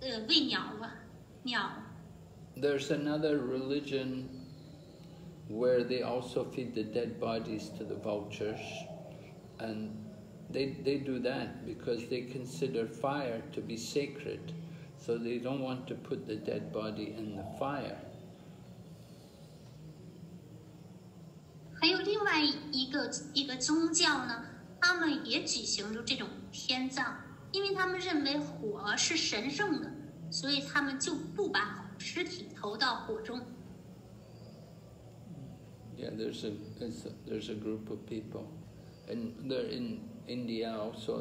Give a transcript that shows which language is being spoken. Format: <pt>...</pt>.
<zh>那么如何看待这个天葬这个仪式呢？那么您可以这样想，因为他们没有那些便利设施来处理这个死尸，所以他们没有恒河水，没有恒河来净化这个尸首，所以来净化这个死就是死去的人们拿走这个他们的业报，所以他们只能把这个喂鸟吧，鸟。</zh> <en>There's another religion where they also feed the dead bodies to the vultures, and they do that because they consider fire to be sacred, so they don't want to put the dead body in the fire.</en> <zh>还有另外一个宗教呢，他们也举行了这种天葬，因为他们认为火是神圣的，所以他们就不把尸体投到火中。</zh> <en>Yeah, there's a group of people, and they're in India also.</en>